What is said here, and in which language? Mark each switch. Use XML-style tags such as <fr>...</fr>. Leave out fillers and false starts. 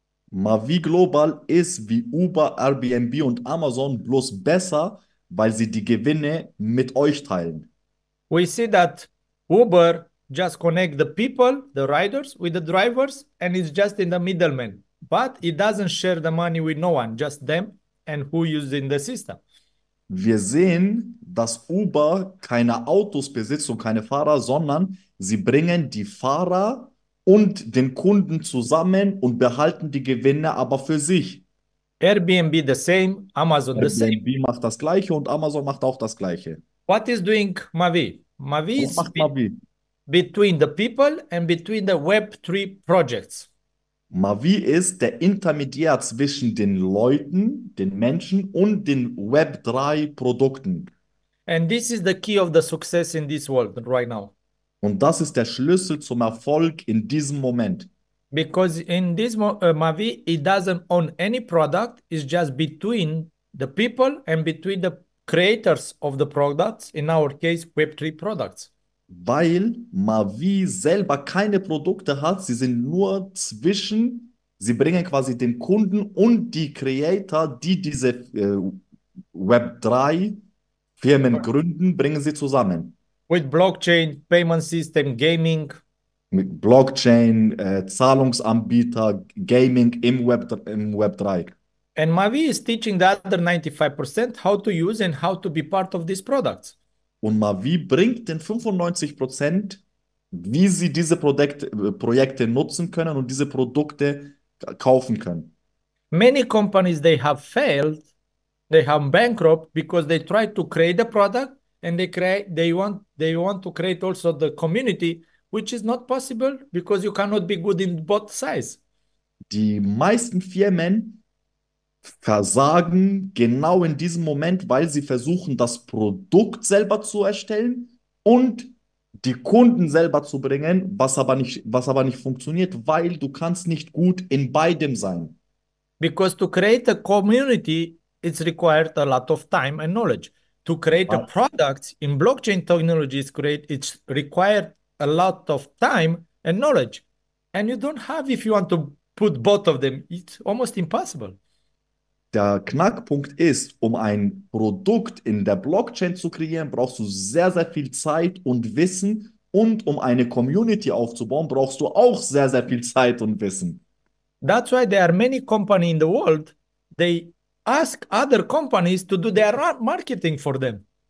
<de>Mavi Global ist wie Uber, Airbnb und Amazon, bloß besser, weil sie die Gewinne mit euch teilen.</de> <en>We see that Uber just connect the people, the riders, with the drivers, and it's just in the middleman. But it doesn't share the money with no one, just them and who using the system.</en> <de>Wir sehen, dass Uber keine Autos besitzt und keine Fahrer, sondern sie bringen die Fahrer und den Kunden zusammen und behalten die Gewinne aber für sich.</de> <en>Airbnb the same, Amazon the same.</en> <de>Airbnb macht das Gleiche und Amazon macht auch das Gleiche.</de> <en>What is doing Mavi? Mavi is Mavi? Between the people and between the Web3 projects.</en> <de>Mavi ist der Intermediär zwischen den Leuten, den Menschen und den Web3-Produkten.</de> <en>And this is the key of the success in this world right now.</en> <de>Und das ist der Schlüssel zum Erfolg in diesem Moment.</de> <en>Because in this Mavi, it doesn't own any product. It's just between the people and between the creators of the products, in our case, Web3 products.</en> <de>Weil Mavi selber keine Produkte hat, sie sind nur zwischen, sie bringen quasi den Kunden und die Creator, die diese Web3-Firmen gründen, bringen sie zusammen.</de> <en>With Blockchain, Payment System, Gaming.</en> <de>Mit Blockchain, Zahlungsanbieter, Gaming im Web, im Web3.</de> <en>And Mavi is teaching the other 95% how to use and how to be part of these products.</en> <de>Und Mavi bringt den 95%, wie sie diese Projekte nutzen können und diese Produkte kaufen können.</de> <en>Many companies, they have failed, they have bankrupt, because they try to create a product and they want to create also the community, which is not possible, because you cannot be good in both sides.</en> <de>Die meisten Firmen versagen genau in diesem Moment, weil sie versuchen, das Produkt selber zu erstellen und die Kunden selber zu bringen, was aber nicht funktioniert, weil du kannst nicht gut in beidem sein.</de> <en>Because to create a community, it's required a lot of time and knowledge. To create a product in blockchain technology is great. It's required a lot of time and knowledge. And you don't have, if you want to put both of them, it's almost impossible.</en> <de>Der Knackpunkt ist, um ein Produkt in der Blockchain zu kreieren, brauchst du sehr, sehr viel Zeit und Wissen. Und um eine Community aufzubauen, brauchst du auch sehr, sehr viel Zeit und Wissen.</de> <en>That's why there are many companies in the world, they ask other companies to do their marketing for them.</en>